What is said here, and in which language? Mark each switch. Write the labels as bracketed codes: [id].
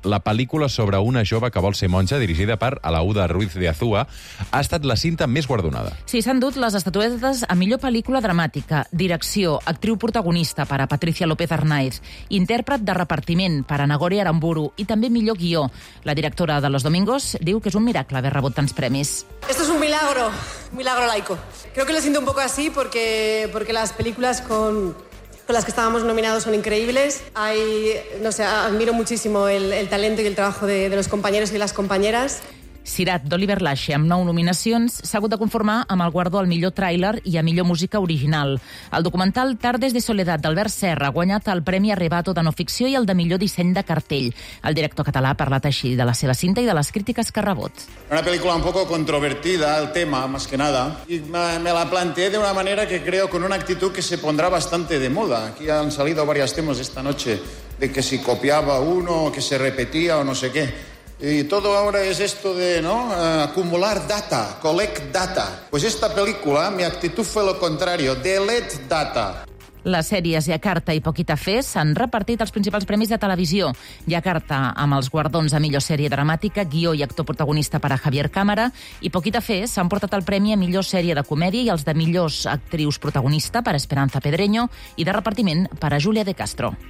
[ca] La pel·lícula sobre una jove que vol ser monja, dirigida per Alauda Ruiz de Azúa, ha estat la cinta més guardonada. Sí, s'han dut les estatuetes a millor pel·lícula dramàtica, direcció, actriu protagonista per a Patricia López Arnaiz, intèrpret de repartiment per a Nagore Aramburu i també millor guió. La directora de Los Domingos diu que és un miracle haver rebut tants premis. [es] Esto es un milagro laico. Creo que lo siento un poco así porque las películas con las que estábamos nominados son increíbles. Hay, no sé, admiro muchísimo el talento y el trabajo de los compañeros y las compañeras. [ca] Cirat d'Oliver Lache, amb 9 nominacions, s'ha hagut de conformar amb el guardó al millor tràiler i a millor música original. El documental Tardes de Soledad d'Albert Serra ha guanyat el Premi Arrebato de no ficció i el de millor disseny de cartell. El director català ha parlat així de la seva cinta i de les crítiques que ha rebut. [es] Una pel·lícula un poco controvertida, el tema, más que nada. Y me la planteé de una manera que creo con una actitud que se pondrá bastante de moda. Aquí han salido varios temas esta noche, de que si copiaba uno, que se repetía o no sé qué. Y todo ahora es esto de, ¿no?, acumular data, [en] collect data. [es] Pues esta película, mi actitud fue lo contrario, [en] delete data. [ca] Les sèries Jakarta i Poquita Fe s'han repartit els principals premis de televisió. Jakarta amb els guardons a millor sèrie dramàtica, guió i actor protagonista per a Javier Cámara, i Poquita Fe s'ha emportat el premi a millor sèrie de comèdia i els de millors actrius protagonista per Esperanza Pedreño i de repartiment per a Júlia de Castro.